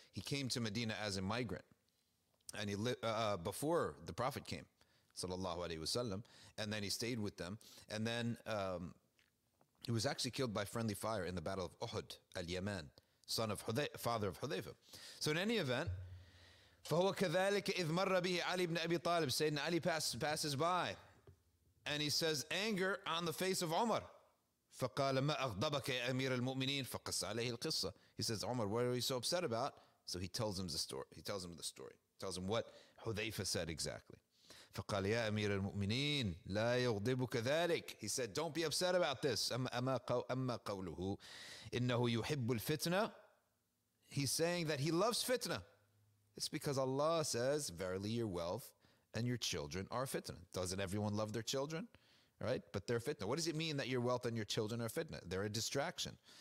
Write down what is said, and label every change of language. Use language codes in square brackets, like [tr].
[en] He came to Medina as a migrant. And he before the Prophet came, sallallahu alayhi wa sallam. And then he stayed with them. And then he was actually killed by friendly fire in the Battle of Uhud, Al-Yaman, father of Hudhayfa. So in any event, [ar] فهو كذلك إذ مر به علي بن أبي طالب سيدنا علي [en] passes by and he says anger on the face of [ar] عمر فقال ما أغضبك يا أمير المؤمنين فقص عليه القصة. [en] He says عمر what are you so upset about, so he tells him the story, he tells him the story, he tells him what حذيفة said exactly. [ar] فقال يا أمير المؤمنين لا يغضبك ذلك. [en] He said don't be upset about this. [ar] أما قوله إنه يحب الفتنة, [en] he's saying that he loves fitna. It's because Allah says, verily your wealth and your children are fitna. Doesn't everyone love their children? Right? But they're fitna. What does it mean that your wealth and your children are fitna? They're a distraction.